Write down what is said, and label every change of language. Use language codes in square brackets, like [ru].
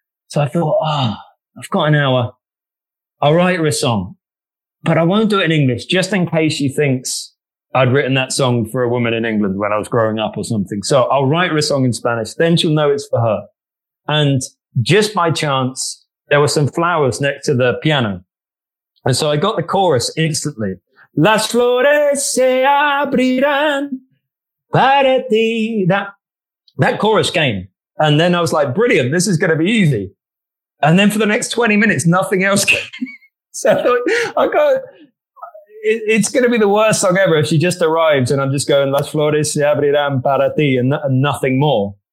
[en] So I thought, oh, I've got an hour. I'll write her a song, but I won't do it in English just in case she thinks I'd written that song for a woman in England when I was growing up or something. So I'll write her a song in Spanish. Then she'll know it's for her. And just by chance, there were some flowers next to the piano. And so I got the chorus instantly. [es] Las flores se abrirán para ti. [en] That chorus came. And then I was like, brilliant, this is going to be easy. And then for the next 20 minutes, nothing else came. So I thought, it's going to be the worst song ever if she just arrives and I'm just going, [es] las flores se abrirán para ti, [en] and nothing more.